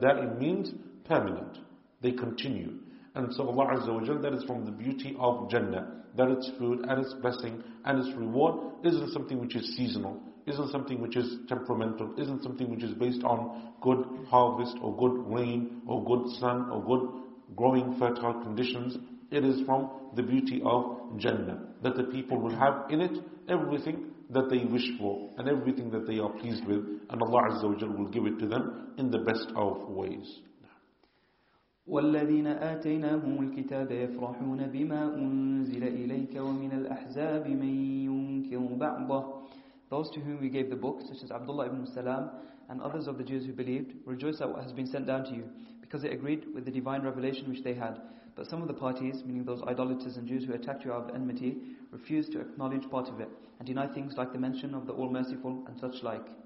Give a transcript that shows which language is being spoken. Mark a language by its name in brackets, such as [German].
[English] Da'im means permanent. They continue. And so Allah Azza wa Jal, that is from the beauty of Jannah, that its food and its blessing and its reward isn't something which is seasonal, isn't something which is temperamental, isn't something which is based on good harvest or good rain or good sun or good growing fertile conditions. It is from the beauty of Jannah, that the people will have in it everything that they wish for and everything that they are pleased with, and Allah Azza wa Jalla will give it to them in the best of ways. [Arabic] والذين آتيناهم الكتاب يفرحون بما أنزل إليك ومن الأحزاب من ينكر بعضه. [English] Those to whom we gave the book, such as Abdullah ibn Salam and others of the Jews who believed, rejoice at what has been sent down to you, because it agreed with the divine revelation which they had. But some of the parties, meaning those idolaters and Jews who attacked you out of enmity, refused to acknowledge part of it, and deny things like the mention of the All Merciful and such like.